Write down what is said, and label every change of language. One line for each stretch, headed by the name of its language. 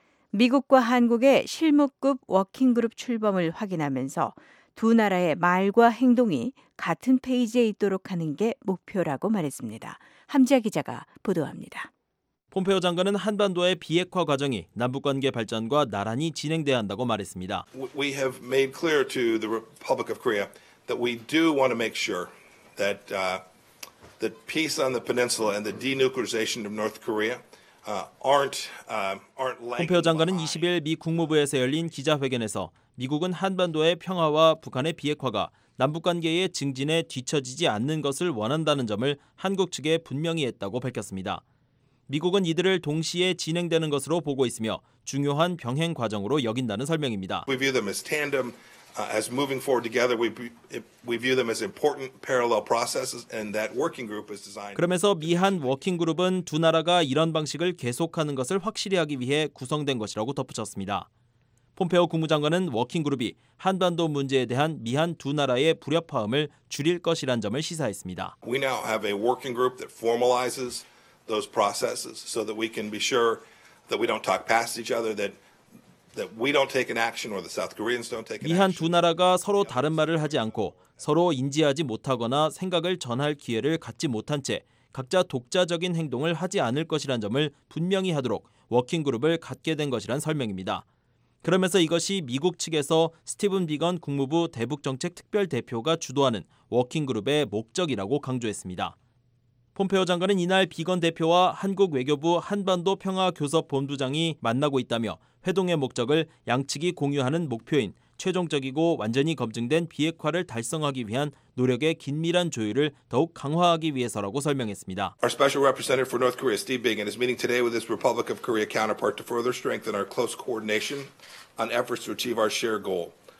Korean: 미국과 한국의 실무급 워킹그룹 출범을 확인하면서 두 나라의 말과 행동이 같은 페이지에 있도록 하는 게 목표라고 말했습니다. 함지아 기자가 보도합니다. 폼페오 장관은 한반도의 비핵화 과정이 남북관계 발전과 나란히 진행돼야 한다고 말했습니다.
English: We have made clear to the Republic of Korea that we do want to make sure that that peace on the peninsula and the denuclearization of North Korea aren't
Korean: 폼페오 장관은 20일 미 국무부에서 열린 기자회견에서 미국은 한반도의 평화와 북한의 비핵화가 남북관계의 증진에 뒤처지지 않는 것을 원한다는 점을 한국 측에 분명히 했다고 밝혔습니다. 미국은 이들을 동시에 진행되는 것으로 보고 있으며 중요한 병행 과정으로 여긴다는 설명입니다.
English: We view them as tandem, as moving forward together. We view them as important parallel processes, and that working group is designed.
Korean: 그러면서 미한 워킹 그룹은 두 나라가 이런 방식을 계속하는 것을 확실히 하기 위해 구성된 것이라고 덧붙였습니다. 폼페오 국무장관은 워킹 그룹이 한반도 문제에 대한 미한 두 나라의 불협화음을 줄일 것이란 점을 시사했습니다.
English: We now have a working group that formalizes. Those processes, so that we can be sure that we don't talk past each other, that we don't take an action, or the South Koreans don't take an action.
Korean: 미한 두 나라가 서로 다른 말을 하지 않고 서로 인지하지 못하거나 생각을 전할 기회를 갖지 못한 채 각자 독자적인 행동을 하지 않을 것이란 점을 분명히 하도록 워킹 그룹을 갖게 된 것이란 설명입니다. 그러면서 이것이 미국 측에서 스티븐 비건 국무부 대북정책 특별 대표가 주도하는 워킹 그룹의 목적이라고 강조했습니다. 폼페오 장관은 이날 비건 대표와 한국 외교부 한반도 평화교섭 본부장이 만나고 있다며 회동의 목적을 양측이 공유하는 목표인 최종적이고 완전히 검증된 비핵화를 달성하기 위한 노력의 긴밀한 조율을 더욱 강화하기 위해서라고 설명했습니다.
English: Our special representative for North Korea, Steve Biegun, is meeting today with his Republic of Korea counterpart to further strengthen our close coordination on efforts to achieve our shared goal.